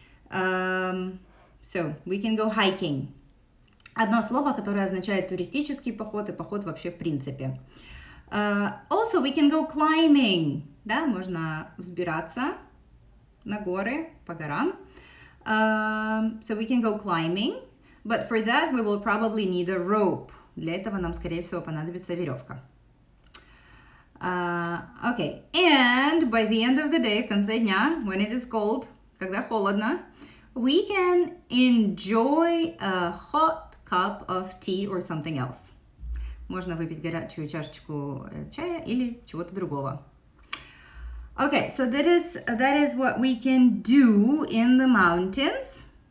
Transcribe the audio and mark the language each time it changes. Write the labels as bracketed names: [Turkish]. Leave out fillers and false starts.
[English] So, we can go hiking. [Russian] Одно слово, которое означает туристический поход и поход вообще в принципе. [English] Also, we can go climbing. [Russian] Да, можно взбираться на горы, по горам. [English] So, we can go climbing. But for that, we will probably need a rope. [Russian] Для этого нам, скорее всего, понадобится веревка. [English] Okay. And by the end of the day, [Russian] в конце дня, [English] when it is cold, [Russian] когда холодно, [English] we can enjoy a hot cup of tea or something else. [Russian] Можно выпить горячую чашечку чая или чего-то другого. [English] Okay, so that is what we can do in the mountains.